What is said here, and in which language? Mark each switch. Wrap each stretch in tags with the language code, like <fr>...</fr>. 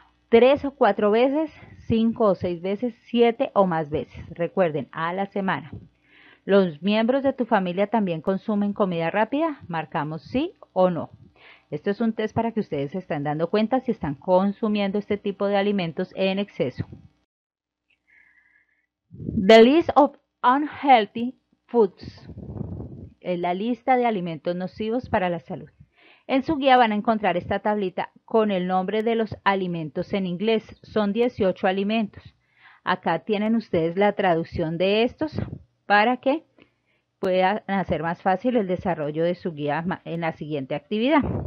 <es>Tres o cuatro veces, cinco o seis veces, siete o más veces. Recuerden, a la semana. ¿Los miembros de tu familia también consumen comida rápida? Marcamos sí o no. Esto es un test para que ustedes se estén dando cuenta si están consumiendo este tipo de alimentos en exceso.</es> <en>The list of unhealthy foods.</en> <es>En la lista de alimentos nocivos para la salud. En su guía van a encontrar esta tablita con el nombre de los alimentos en inglés. Son 18 alimentos. Acá tienen ustedes la traducción de estos para que puedan hacer más fácil el desarrollo de su guía en la siguiente actividad.</es>